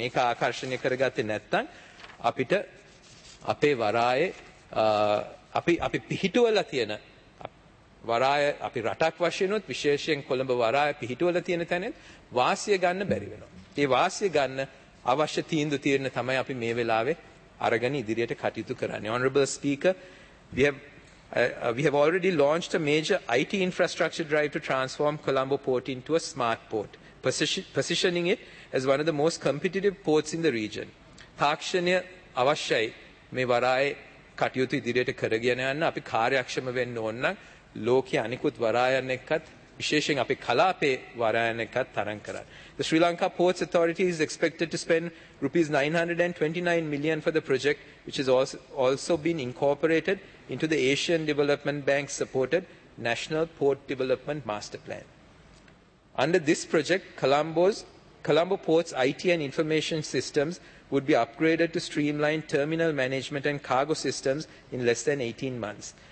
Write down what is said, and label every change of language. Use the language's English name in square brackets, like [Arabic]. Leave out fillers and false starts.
[Sinhala] ඒක ආකර්ෂණය කරගත්තේ නැත්නම් අපිට අපේ වරායේ අපි පිහිටුවලා තියෙන වරාය අපි රටක් වශයෙන් උත් විශේෂයෙන් කොළඹ වරාය පිහිටුවලා තියෙන තැනෙත් වාසිය ගන්න බැරි වෙනවා. ඒ වාසිය ගන්න අවශ්‍ය තීන්දුව తీරන තමයි අපි මේ වෙලාවේ අරගෙන ඉදිරියට කටයුතු කරන්නේ. [English] Honorable Speaker, we have already launched a major IT infrastructure drive to transform Colombo Port into a smart port, positioning it as one of the most competitive ports in the region. [Sinhala] තාක්ෂණය අවශ්‍යයි මේ වරායේ කටයුතු ඉදිරියට කරගෙන යන්න. අපි කාර්යක්ෂම වෙන්න ඕන නම් ලෝකයේ අනිකුත් වරායන් එක්කත් විශේෂයෙන් අපේ කලාපේ වරායන් එක්කත් තරඟ කරන්න. [English] The Sri Lanka Ports Authority is expected to spend ₹929 million for the project, which has also been incorporated into the Asian Development Bank supported National Port Development Master Plan. Under this project, Colombo Port's IT and information systems would be upgraded to streamline terminal management and cargo systems in less than 18 months.